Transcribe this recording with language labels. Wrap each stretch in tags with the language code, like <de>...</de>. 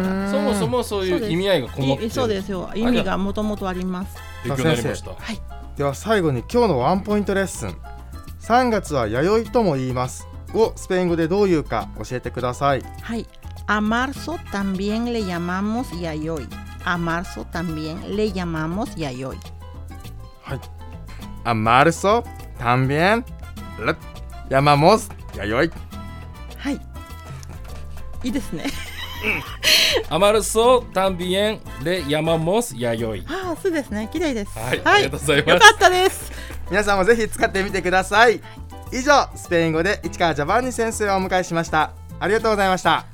<ja>そもそもそういう意味合いがこもってる。そうですよ、意味がもともとあります。勉強になりました。はい、では最後に今日のワンポイントレッスン、3月は弥生とも言いますをスペイン語でどういうか教えてください。</ja> <es>はい、a marzo también le llamamos yayoi. a marzo también le llamamos yayoi. はい、 a marzo también le llamamos yayoi.</es> <ja>はい、いいですね。</ja> <es>アマルソタンビエンレヤマモスヤヨイ。</es> <ja>ああ、そうですね、綺麗です。はい、はい、ありがとうございます。よかったです。皆さんもぜひ使ってみてください。以上、スペイン語で市川ジャバンニ先生をお迎えしました。ありがとうございました。</ja>